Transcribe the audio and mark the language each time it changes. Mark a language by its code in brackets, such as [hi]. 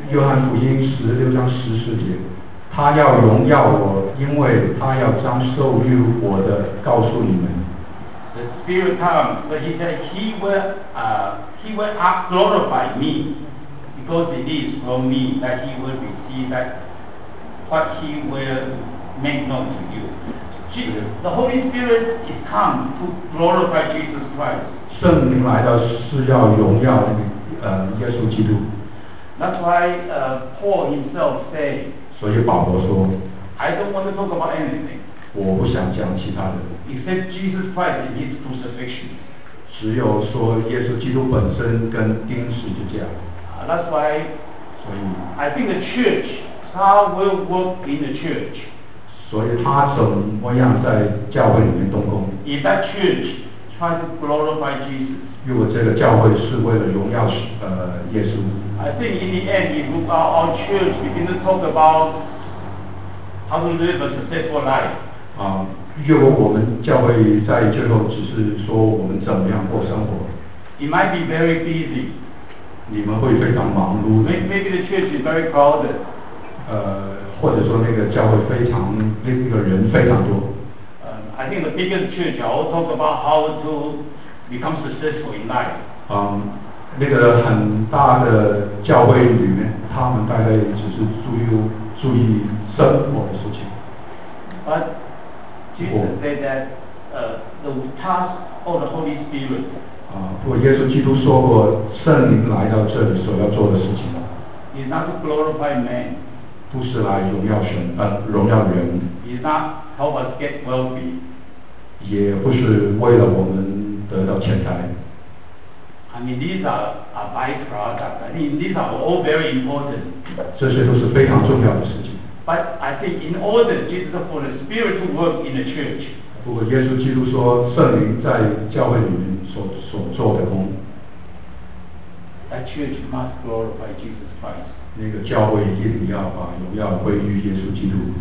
[zh] 约翰福音十六章十四节，他要荣耀我，因为他要将受于我的告诉你们。 [en] The Spirit comes, but he said he will not glorify me. Because it is from me that he will receive that what he will make known to you. The Holy Spirit is come to glorify Jesus Christ. [zh] 圣灵来到是要荣耀耶稣基督。 [en] That's why Paul himself said. [zh] 所以保罗说。 [en] I don't want to talk about anything. [zh] 我不想讲其他的。 [en] Except Jesus Christ and his crucifixion. [zh] 只有说耶稣基督本身跟钉十字架。 [en] That's why I think the church, how will work in the church. [zh] 所以他怎么样在教会里面动工？ [en] If that church try to glorify Jesus. [zh] 如果这个教会是为了荣耀耶稣。 [en] I think in the end, if our church begin to talk about how to live a successful life. [zh] 如果我们教会在最后只是说我们怎么样过生活。 [en] It might be very busy. [zh] 你们会非常忙碌的。 [en] Maybe the church is very crowded. [zh] 或者说那个教会非常那个人非常多。 [en] I think the biggest church all talk about how to become successful in life. [zh] 那个很大的教会里面，他们大概只是注意生活的事情。 [en] But Jesus said that the task of the Holy Spirit. [zh] 不过耶稣基督说过圣灵来到这里所要做的事情 [en] is not to glorify man [zh] 不是来荣耀神荣耀人 [en] is not help us get wealthy [zh] 也不是为了我们得到钱财 [en] I mean these are byproducts I mean these are all very important [zh] 这些都是非常重要的事情 [en] but I think in order Jesus for the spirit to work in the church [zh] 不过耶稣基督说圣灵在教会里面所做的功 [en] That church must glorify Jesus Christ. [zh] 那个教会一定要把荣耀归于耶稣基督。